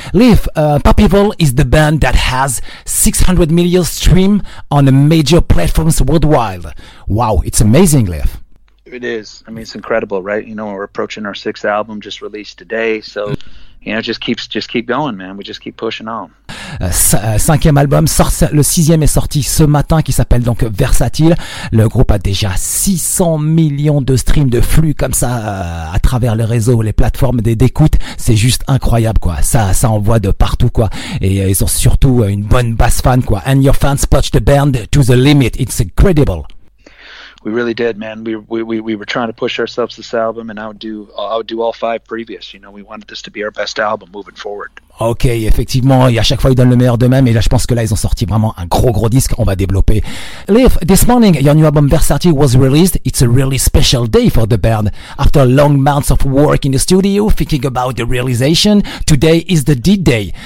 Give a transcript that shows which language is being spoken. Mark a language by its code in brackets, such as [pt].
[en] Leif, Pop Evil is the band that has 600 million stream on the major platforms worldwide. Wow, it's amazing, Leif. It is. I mean, it's incredible, right? You know, we're approaching our sixth album just released today. So, you know, just keep going, man. We just keep pushing on. [fr] Cinquième album, le sixième est sorti ce matin, qui s'appelle donc Versatile. Le groupe a déjà 600 millions de streams de flux comme ça à travers les réseaux, les plateformes d'écoute. C'est juste incroyable, quoi. Ça envoie de partout, quoi. Et ils ont surtout une bonne base fan, quoi. [en] And your fans push the band to the limit. It's incredible. We really did, man. We were trying to push ourselves this album and outdo all five previous. You know, we wanted this to be our best album moving forward. [fr] Ok, effectivement, et à chaque fois ils donnent le meilleur d'eux-mêmes, et là je pense que là ils ont sorti vraiment un gros disque, on va développer. [en] Leif, this morning your new album Versatile was released. It's a really special day for the band. After long months of work in the studio, thinking about the realization, today is the D-Day.